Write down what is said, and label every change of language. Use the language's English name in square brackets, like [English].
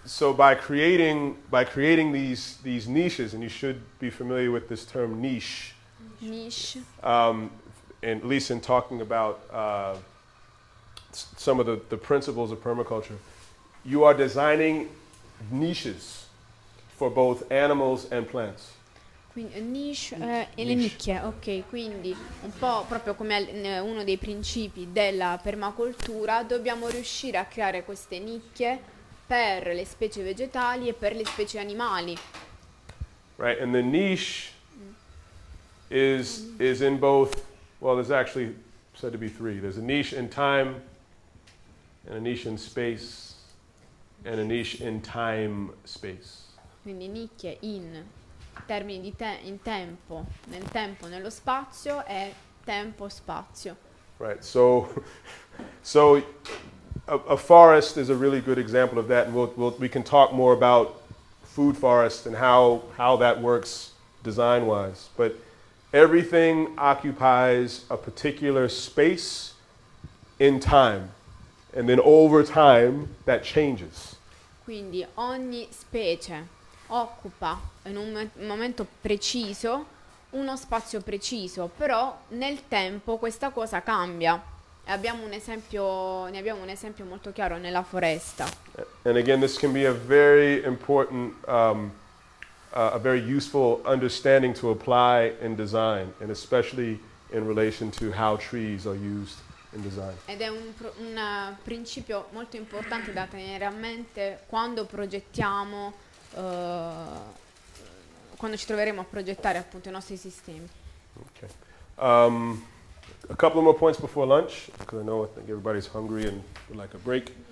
[English] So by creating these niches, and you should be familiar with this term niche. Niche. And at least in talking about some of the principles of permaculture, you are designing niches for both animals and plants. [Italian] Quindi niche e le nicchie, ok. Quindi un po' proprio come uno dei principi della permacultura, dobbiamo riuscire a creare queste nicchie per le specie vegetali e per le specie animali. [English] Right, and the niche is in both, well, there's actually said to be three. There's a niche in time, and a niche in space, and a niche in time space. [Italian] Quindi nicchie in termini di in tempo, nel tempo, nello spazio e tempo spazio. [English] Right. So a forest is a really good example of that, and we can talk more about food forests and how that works design wise, but everything occupies a particular space in time, and then over time that changes. [Italian] Quindi ogni specie occupa in un momento preciso uno spazio preciso, però nel tempo questa cosa cambia. E abbiamo un esempio, ne abbiamo un esempio molto chiaro nella foresta. [English] And again, this can be a very important, a very useful understanding to apply in design, and especially in relation to how trees are used in design. [Italian] Ed è un principio molto importante da tenere a mente quando progettiamo, quando ci troveremo a progettare appunto i nostri sistemi. [English] Okay. A couple more points before lunch, because I know I think everybody's hungry and would like a break.